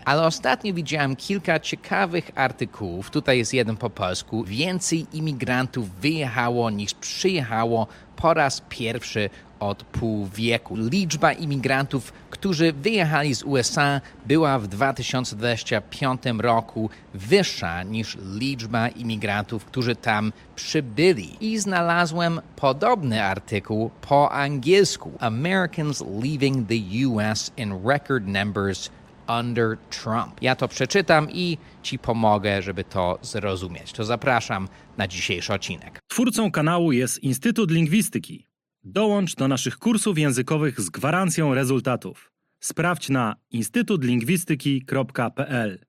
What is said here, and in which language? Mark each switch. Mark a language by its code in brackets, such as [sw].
[pl] Ale ostatnio widziałem kilka ciekawych artykułów, tutaj jest jeden po polsku, więcej imigrantów wyjechało niż przyjechało po raz pierwszy od pół wieku. Liczba imigrantów, którzy wyjechali z USA, była w 2025 roku wyższa niż liczba imigrantów, którzy tam przybyli. I znalazłem podobny artykuł po angielsku. [en] Americans leaving the US in record numbers under Trump. [pl] Ja to przeczytam i ci pomogę, żeby to zrozumieć. To zapraszam na dzisiejszy odcinek. Twórcą kanału jest Instytut Lingwistyki. Dołącz do naszych kursów językowych z gwarancją rezultatów. Sprawdź na instytutlingwistyki.pl.